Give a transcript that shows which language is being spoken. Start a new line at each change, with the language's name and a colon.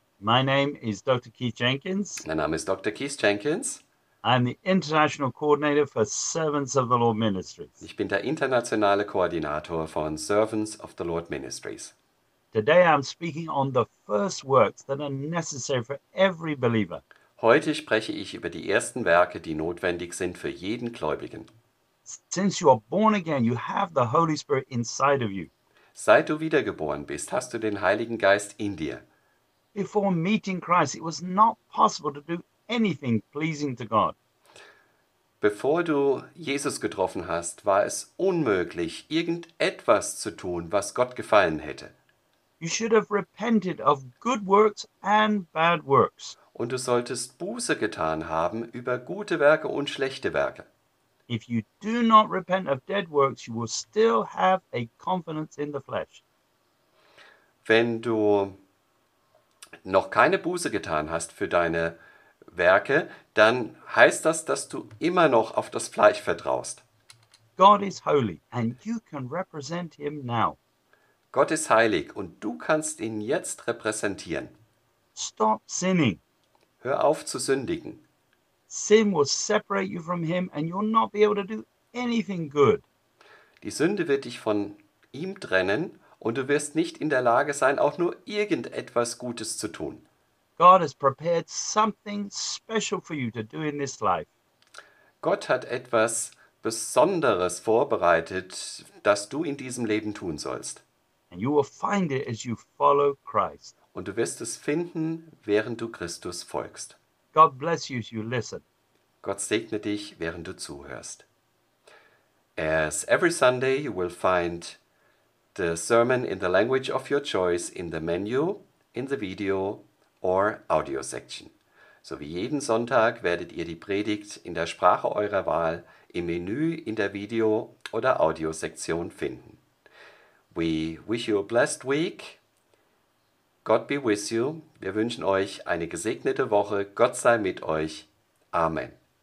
English: My name is Dr. Keith Jenkins.
German: Mein Name ist Dr. Keith Jenkins.
English: I'm the International Coordinator for Servants of the Lord Ministries.
German: Ich bin der internationale Koordinator von Servants of the Lord Ministries.
English: Today I'm speaking on the first works that are necessary for every believer.
German: Heute spreche ich über die ersten Werke, die notwendig sind für jeden Gläubigen.
English: Since you are born again, you have the Holy Spirit inside of you.
German: Seit du wiedergeboren bist, hast du den Heiligen Geist in dir.
English: Before meeting Christ, it was not possible to do anything pleasing to God.
German: Bevor du Jesus getroffen hast, war es unmöglich, irgendetwas zu tun, was Gott gefallen hätte.
English: You should have repented of good works and bad works.
German: Und du solltest Buße getan haben über gute Werke und schlechte Werke.
English: If you do not repent of dead works, you will still have a confidence in the flesh.
German: Wenn du noch keine Buße getan hast für deine Werke, dann heißt das, dass du immer noch auf das Fleisch vertraust.
English: God is holy and you can represent him now.
German: Gott ist heilig und du kannst ihn jetzt repräsentieren.
English: Stop sinning.
German: Hör auf zu sündigen.
English: Sin will separate you from him and you'll not be able to do anything good.
German: Die Sünde wird dich von ihm trennen und du wirst nicht in der Lage sein, auch nur irgendetwas Gutes zu tun.
English: God has prepared something special for you to do in this life.
German: Gott hat etwas Besonderes vorbereitet, das du in diesem Leben tun sollst.
English: And you will find it as you follow Christ.
German: Und du wirst es finden, während du Christus folgst.
English: God bless you as you listen.
German: Gott segne dich, während du zuhörst.
English: As every Sunday you will find the sermon in the language of your choice in the menu, in the video or audio section.
German: So wie jeden Sonntag werdet ihr die Predigt in der Sprache eurer Wahl im Menü, in der Video oder Audio Sektion finden.
English: We wish you a blessed week. God be with you.
German: Wir wünschen euch eine gesegnete Woche. Gott sei mit euch. Amen.